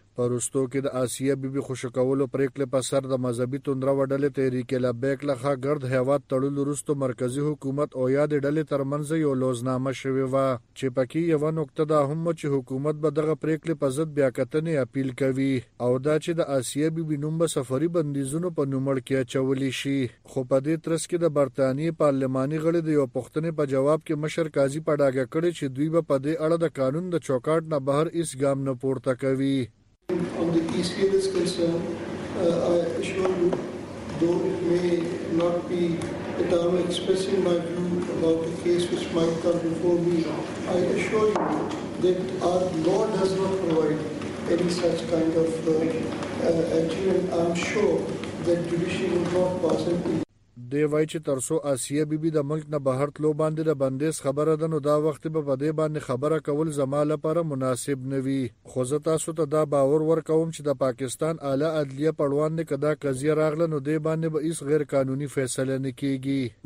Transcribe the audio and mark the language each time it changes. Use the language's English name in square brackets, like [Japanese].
[Pashto] پرستو کې د آسیا بیبي خوش کولو پریکل په سر د مذهبي تندرو ډلې تحریک لبیک لخوا ګرد هیواد تړلو وروسته مرکزی حکومت او یادې ډلې ترمنځ یو لوزنامه شوې وه چې پکې یوه نقطه دا هم چې حکومت به دغه پریکل په ضد بیا کتنې اپیل کوي او دا چې د آسیا بیبي نوم به سفري بندیزونو په نوموړ کې اچولی شي. خو په دې ترڅ کې د برطانیې پارلماني غړي د یو پوښتنې په جواب کې مشر قاضي په ډاګه کړی چې دوی به په دې اړه د قانون د چوکاټ نه بهر هیڅ ګام نه پورته کوي. [English] On the peace field is concerned, I assure you, though it may not be that I am expressing my view about the case which might come before me, I assure you that our law does not provide any such kind of action, and I am sure that judiciary will not pass an appeal. [Pashto] دی وای چې ترسو آسیا بیبي د ملک نه بهر تلو باندې د بندیز خبره ده نو دا وخت به په دې باندې خبره کول زما لپاره مناسب نه وي. خو زه تاسو ته دا باور ورکوم چې د پاکستان اعلی عدلیه پړوان نه کدا قضیه راغله نو دې باندې به هیڅ غیر قانوني فیصله نه کیږي.